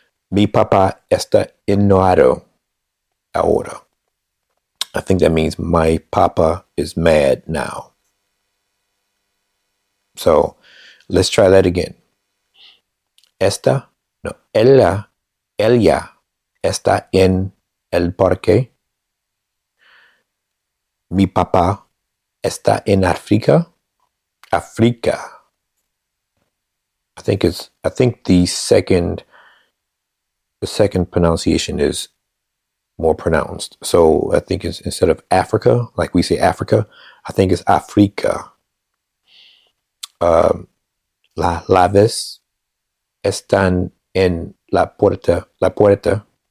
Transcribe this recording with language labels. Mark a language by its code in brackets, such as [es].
[es] Mi papá está enojado ahora. [en] I think that means my papa is mad now. So let's try that again. [es] Esta, no, ella está en el parque. Mi papá está en África. África. [en] I think the second pronunciation is more pronounced. So I think it's instead of Africa, like we say Africa, I think it's África. [es] La llaves están en la puerta.